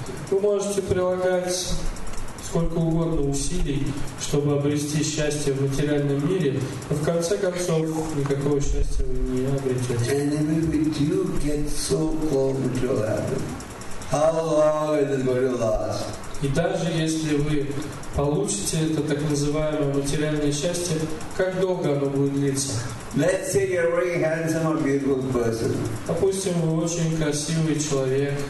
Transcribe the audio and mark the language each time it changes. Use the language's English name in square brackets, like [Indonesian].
[Russian] Вы можете прилагать сколько угодно усилий, чтобы обрести счастье в материальном мире, но в конце концов никакого счастья вы не обретете. [English] And even if you get so close to your heaven, how long is it going to last? [Russian] И даже если вы получите это так называемое материальное счастье, как долго оно будет длиться? [English] Let's say you're a very handsome or beautiful person. [Russian] Допустим, вы очень красивый человек.